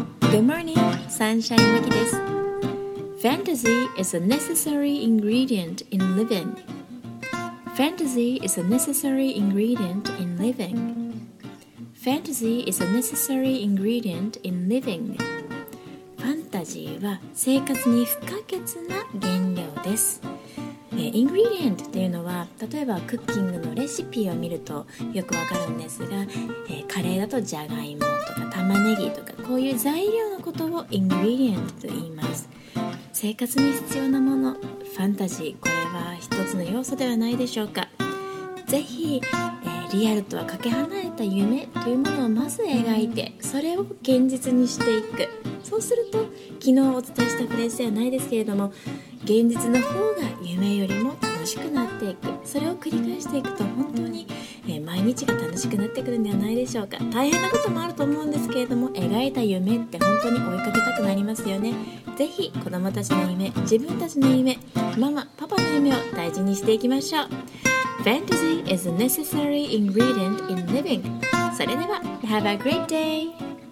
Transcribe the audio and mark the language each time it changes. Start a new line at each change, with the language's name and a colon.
English: Good morning, Sunshine Miki
Japanese: です。
English: Fantasy is a necessary ingredient in living. Fantasy is a necessary ingredient in living. Fantasy is a necessary ingredient in living.
Japanese: ファンタジーは生活に不可欠な原料です。イングリディエントというのは、例えばクッキングのレシピを見るとよくわかるんですが、カレーだとジャガイモとか玉ねぎとか、こういう材料のことをイングリディエントと言います。生活に必要なもの、ファンタジー、これは一つの要素ではないでしょうか。ぜひ、リアルとはかけ離れた夢というものをまず描いて、それを現実にしていく。そうすると、昨日お伝えしたフレーズではないですけれども、現実の方が夢よりも楽しくなっていく。それを繰り返していくと、本当に、毎日が楽しくなってくるんではないでしょうか。大変なこともあると思うんですけれども、描いた夢って本当に追いかけたくなりますよね。ぜひ子どもたちの夢、自分たちの夢、ママパパの夢を大事にしていきましょう。
English: Fantasy is a necessary ingredient in living.
Japanese: それでは
English: Have a great day.